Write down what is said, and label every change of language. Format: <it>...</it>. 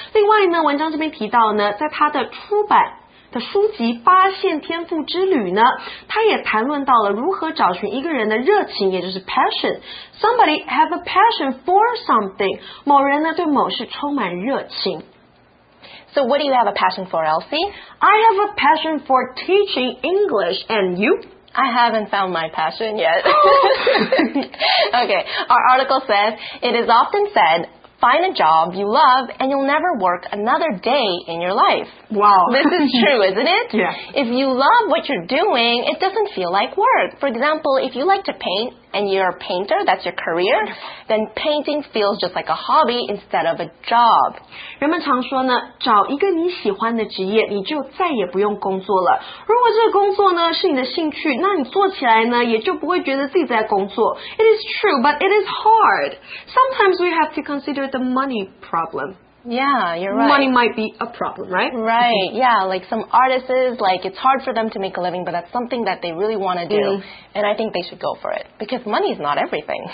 <zh>另外呢，文章这边提到呢，在他的出版的书籍《发现天赋之旅》呢，他也谈论到了如何找寻一个人的热情，也就是 passion.</zh> <en>Somebody have a passion for something.</en> <zh>某人呢对某事充满热情。</zh> <en>So what do you have a passion for, Elsie? I have a passion for teaching English. And you? I haven't found my passion yet. Okay, our article says, it is often said, find a job you love and you'll never work another day in your life. Wow. This is true, isn't it? Yeah. If you love what you're doing, it doesn't feel like work. For example, if you like to paint and you're a painter, that's your career, then painting feels just like a hobby instead of a job.</en> <zh>人们常说呢，找一个你喜欢的职业，你就再也不用工作了。如果这个工作呢，是你的兴趣，那你做起来呢，也就不会觉得自己在工作。</zh> <en>It is true, but it is hard. Sometimes we have to consider the money problem. Yeah, you're right. Money might be a problem, right? Right, yeah. Like some artists, like it's hard for them to make a living, but that's something that they really want to do. Mm. And I think they should go for it. Because money is not everything.</en>